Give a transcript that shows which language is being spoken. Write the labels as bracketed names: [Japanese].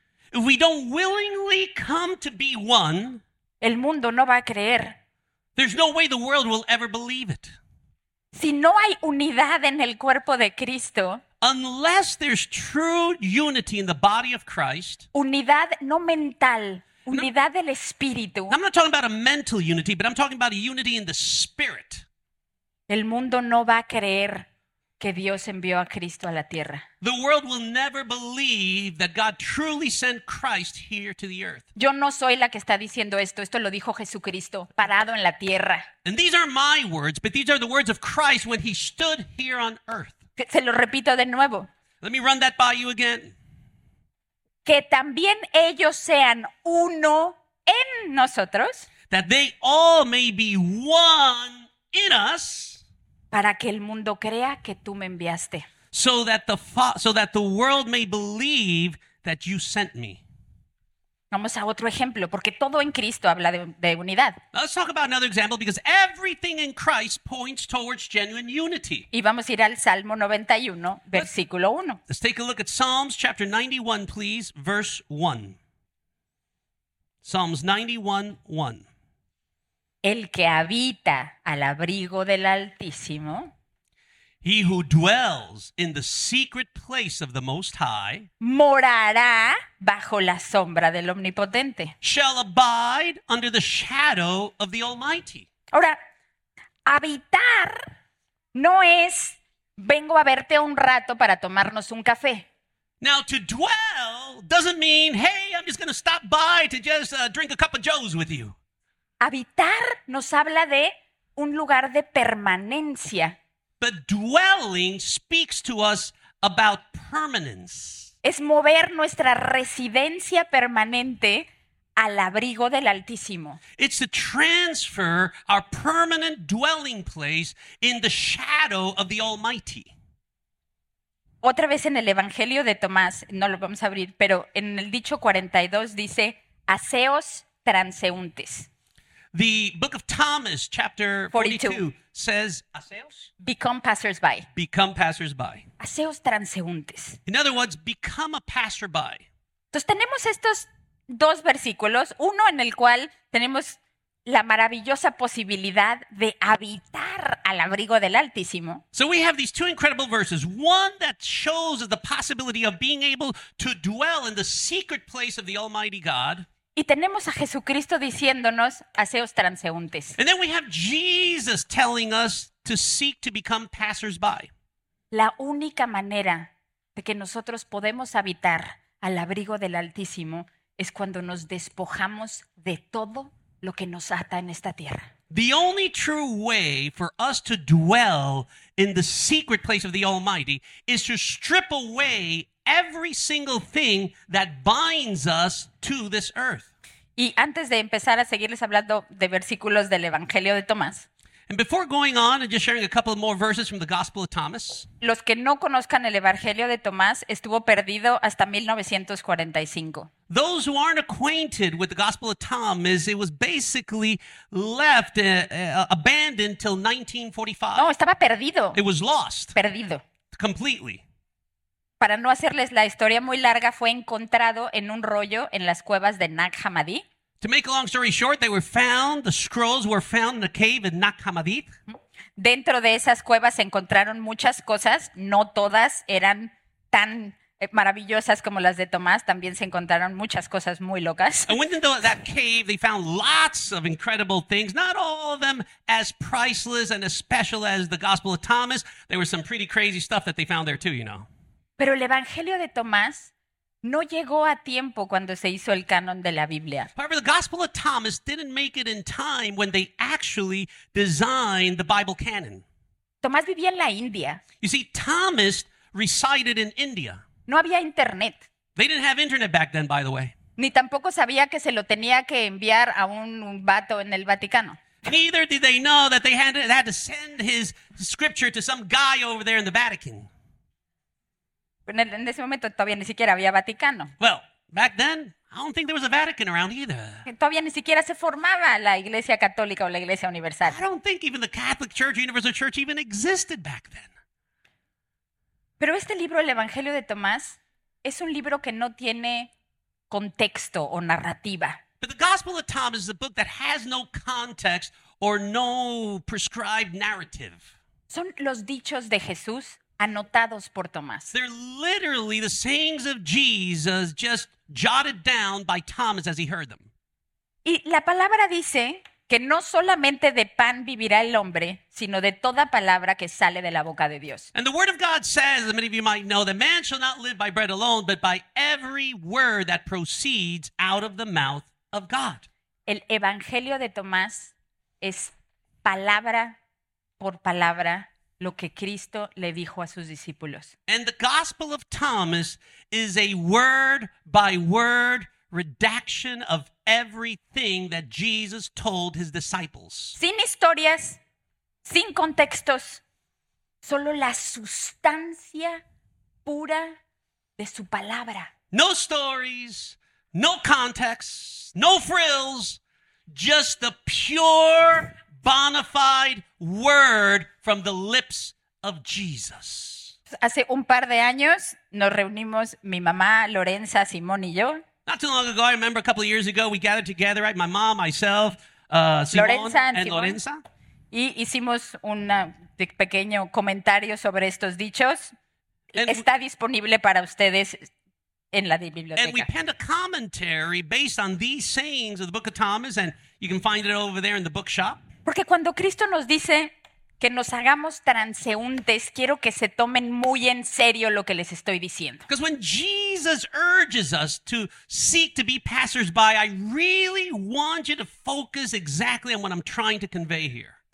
[English] if we don't willingly come to be one, [Spanish] el mundo no va a creer. [English] There's no way the world will ever believe it. [Spanish] Si no hay unidad en el cuerpo de Cristo, [English] unless there's true unity in the body of Christ, [Spanish] unidad no mental, unidad del espíritu. [English] I'm not talking about a mental unity, but I'm talking about a unity in the spirit. [Spanish] El mundo no va a creer que Dios envió a Cristo a la tierra. [English] The world will never believe that God truly sent Christ here to the earth. [Spanish] Yo no soy la que está diciendo esto. Esto lo dijo Jesucristo, parado en la tierra. [English] And these aren't my words, but these are the words of Christ when he stood here on earth. [Spanish] Se lo repito de nuevo. [English] Let me run that by you again. [Spanish] Que también ellos sean uno en nosotros. [English] That they all may be one in us. [Spanish] Para que el mundo crea que tú me enviaste. [English] So that the world may believe that you sent me. [Spanish] Vamos a otro ejemplo, porque todo en Cristo habla de unidad. [English] Let's talk about another example, because everything in Christ points towards genuine unity. [Spanish] Y vamos a ir al Salmo 91, versículo 1. [English] Let's take a look at Psalms chapter 91, please, verse 1. Psalms 91:1. [Spanish] El que habita al abrigo del Altísimo. [English] He who dwells in the secret place of the Most High. [Spanish] Morará bajo la sombra del Omnipotente. [English] Shall abide under the shadow of the Almighty. [Spanish] Ahora, habitar no es vengo a verte un rato para tomarnos un café. [English] Now to dwell doesn't mean, hey, I'm just going to stop by to just drink a cup of Joe's with you. [Spanish] Habitar nos habla de un lugar de permanencia. [English] But dwelling speaks to us about permanence. [Spanish] Es mover nuestra residencia permanente al abrigo del Altísimo. [English] It's to transfer our permanent dwelling place in the shadow of the Almighty. [Spanish] Otra vez en el Evangelio de Tomás, no lo vamos a abrir, pero en el dicho 42 dice, aseos transeúntes. [English] The book of Thomas, chapter 42, says, aseos? Become passers-by. Become passers-by. [Spanish] Aseos transeúntes. [English] In other words, become a passer-by. [Spanish] Entonces tenemos estos dos versículos, uno en el cual tenemos la maravillosa posibilidad de habitar al abrigo del Altísimo. [English] So we have these two incredible verses, one that shows the possibility of being able to dwell in the secret place of the Almighty God. [Spanish] Y tenemos a Jesucristo diciéndonos, haceos transeúntes. [English] And then we have Jesus telling us to seek to become passers-by. [Spanish] La única manera de que nosotros podemos habitar al abrigo del Altísimo es cuando nos despojamos de todo lo que nos ata en esta tierra. [English] The only true way for us to dwell in the secret place of the Almighty is to strip away every single thing that binds us to this earth. [Spanish] Y antes de empezar a seguirles hablando de versículos del Evangelio de Tomás, [English] and before going on and just sharing a couple more verses from the Gospel of Thomas. [Spanish] Los que no conozcan el Evangelio de Tomás, estuvo perdido hasta 1945. [English] Those who aren't acquainted with the Gospel of Thomas, it was basically left abandoned till 1945. [Spanish] No, estaba perdido. [English] It was lost. [Spanish] Perdido. [English] Completely. [Spanish] Para no hacerles la historia muy larga, fue encontrado en un rollo en las cuevas de Nag Hammadi. [English] To make a long story short, they were found, the scrolls were found in a cave in Nag Hammadi. [Spanish] Dentro de esas cuevas se encontraron muchas cosas, no todas eran tan maravillosas como las de Tomás, también se encontraron muchas cosas muy locas. [English] And within that cave, they found lots of incredible things, not all of them as priceless and as special as the Gospel of Thomas. There was some pretty crazy stuff that they found there too, you know. [Spanish] Pero el Evangelio de Tomás no llegó a tiempo cuando se hizo el canon de la Biblia. [English] However, the Gospel of Thomas didn't make it in time when they actually designed the Bible canon. [Spanish] Tomás vivía en la India. [English] You see, Thomas resided in India. [Spanish] No había internet. [English] They didn't have internet back then, by the way. [Spanish] Ni tampoco sabía que se lo tenía que enviar a un vato en el Vaticano. [English] Neither did they know that they had to send his scripture to some guy over there in the Vatican. [Spanish] En ese momento todavía ni siquiera había Vaticano. [English] Well, back then, I don't think there was a Vatican around either. [Spanish] Todavía ni siquiera se formaba la Iglesia Católica o la Iglesia Universal. [English] I don't think even the Catholic Church or Universal Church even existed back then. [Spanish] Pero este libro, el Evangelio de Tomás, es un libro que no tiene contexto o narrativa. [English] But the Gospel of Thomas is a book that has no context or no prescribed narrative. [Spanish] Son los dichos de Jesús anotados por Tomás. [English] They're literally the sayings of Jesus just jotted down by Thomas as he heard them. [Spanish] Y la palabra dice que no solamente de pan vivirá el hombre, sino de toda palabra que sale de la boca de Dios. [English] And the word of God says, as many of you might know, that man shall not live by bread alone, but by every word that proceeds out of the mouth of God. [Spanish] El Evangelio de Tomás es palabra por palabra lo que Cristo le dijo a sus discípulos. [English] And the Gospel of Thomas is a word by word redaction of everything that Jesus told his disciples. [Spanish] Sin historias, sin contextos, solo la sustancia pura de su palabra. [English] No stories, no contexts, no frills, just the pure bona fide word from the lips of Jesus. [Spanish] Hace un par de años nos reunimos mi mamá, Lorenza, Simón y yo. [English] Not too long ago, I remember a couple of years ago, we gathered together, right? My mom, myself, Lorenza. [Spanish] Y hicimos un pequeño comentario sobre estos dichos. And está disponible para ustedes en la biblioteca. [English] And we penned a commentary based on these sayings of the Book of Thomas, and you can find it over there in the bookshop. [Spanish] Porque cuando Cristo nos dice que nos hagamos transeúntes, quiero que se tomen muy en serio lo que les estoy diciendo. [English] Because when Jesus urges us to seek to be passers-by, I really want you to focus exactly on what I'm trying to convey here.